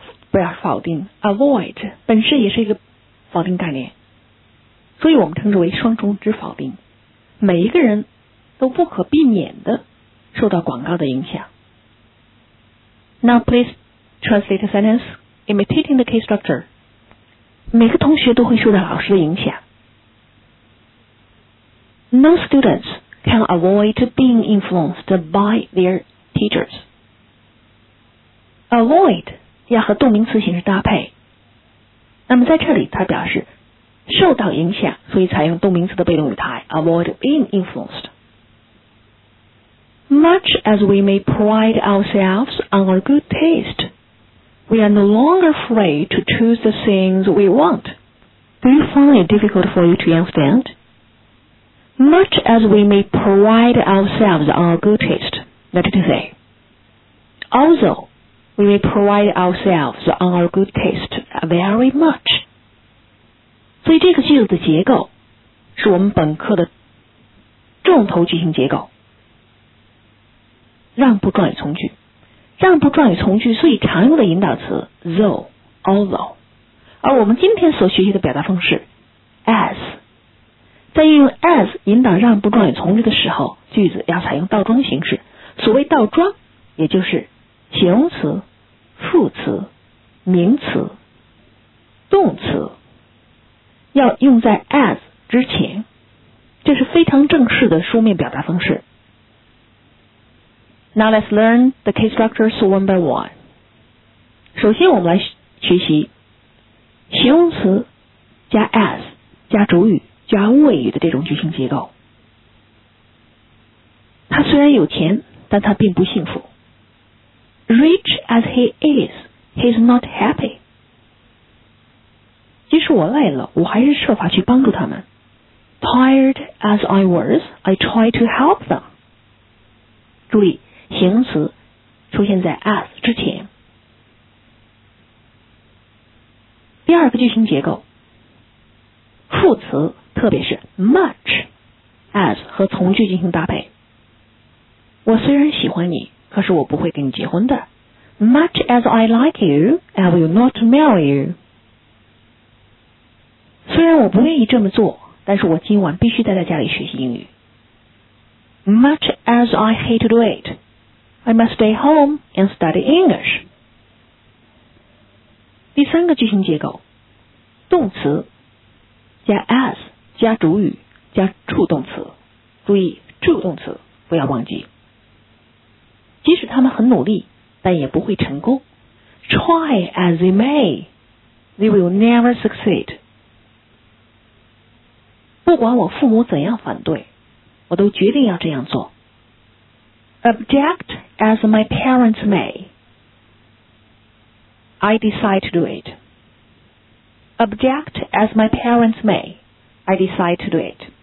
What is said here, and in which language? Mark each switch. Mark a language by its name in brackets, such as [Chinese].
[Chinese] 不要否定 avoid 本身也是一个否定概念，所以我们称之为双重之否定。每一个人都不可避免的受到广告的影响。 [English] Now please translate a sentence imitating the key structure. [Chinese] 每个同学都会受到老师的影响。 [English] No students can avoid being influenced by their teachers. [Chinese] Avoid要和动名词形式搭配，那么在这里它表示受到影响，所以采用动名词的被动语态 [English] avoid being influenced. Much as we may pride ourselves on our good taste, we are no longer free to choose the things we want. Do you find it difficult for you to understand? Much as we may pride ourselves on our good taste, that is to say, alsowe may pride ourselves on our good taste very much. [Chinese] 所以这个句子的结构是我们本课的重头句型结构。让步状语从句，让步状语从句所以常用的引导词 though, although, 而我们今天所学习的表达方式 as, 在运用 as 引导让步状语从句的时候，句子要采用倒装形式。所谓倒装，也就是形容词、副词、名词、动词要用在 as 之前，这是非常正式的书面表达方式。 [English] Now let's learn the case structures one by one. [Chinese] 首先我们来学习形容词加 as 加主语加谓语的这种句型结构。他虽然有钱，但他并不幸福。 [English] Rich as he is, he is not happy. [Chinese] 即使我累了，我还是设法去帮助他们。 [English] Tired as I was, I tried to help them. [Chinese] 注意形容词出现在 as 之前。第二个句型结构，副词特别是 much as 和从句进行搭配。我虽然喜欢你，可是我不会跟你结婚的。 [English] Much as I like you, I will not marry you. [Chinese] 虽然我不愿意这么做，但是我今晚必须待在家里学习英语。 [English] Much as I hate to do itI must stay home and study English. [Chinese] 第三个句型结构，动词加 as 加主语加助动词，注意助动词不要忘记。即使他们很努力，但也不会成功。 [English] Try as they may, they will never succeed. [Chinese] 不管我父母怎样反对，我都决定要这样做。 [English] Object as my parents may, I decide to do it. Object as my parents may, I decide to do it.